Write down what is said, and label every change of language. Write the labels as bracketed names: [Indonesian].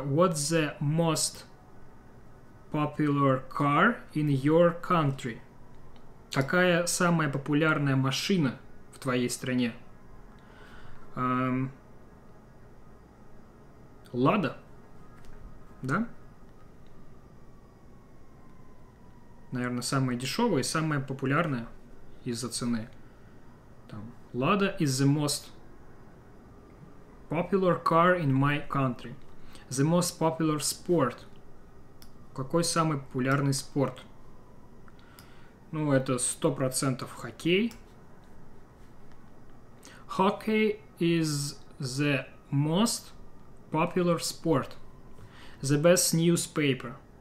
[English] What's the most popular car in your country? [Russian] Какая самая популярная машина в твоей стране? Лада? Да? Наверное, самая дешевая и самая популярная из-за цены. [English] Там, Lada is the most popular car in my country. The most popular sport. [Russian] Какой самый популярный спорт? Ну, это 100% хоккей. [English] Hockey is the most popular sport. The best newspaper.